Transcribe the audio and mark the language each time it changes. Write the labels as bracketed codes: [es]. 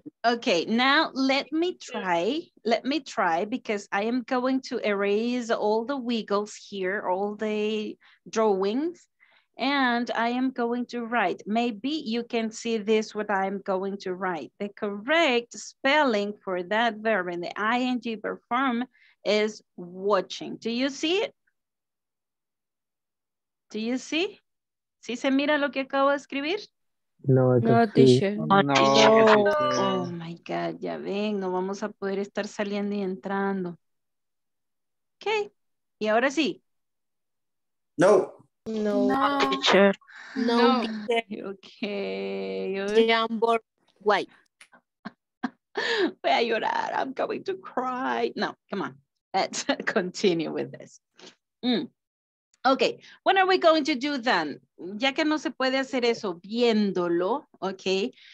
[en] Okay, now let me try because I am going to erase all the wiggles here, all the drawings, and I am going to write. Maybe you can see this, what I'm going to write. The correct spelling for that verb in the ing perform is watching. Do you see it? Do you see? [es] ¿Sí se mira lo que acabo de escribir? [en] No, no, teacher. Oh, my God, [es] ya ven, no vamos a poder estar saliendo y entrando. Ok, ¿y ahora sí? [en] No. No, teacher. No, teacher. Ok. Yeah, I'm bored. Why? [es] Voy a llorar, [en] I'm going to cry. No, come on, let's continue with this. Okay, what are we going to do then? [es] Ya que no se puede hacer eso viéndolo, okay.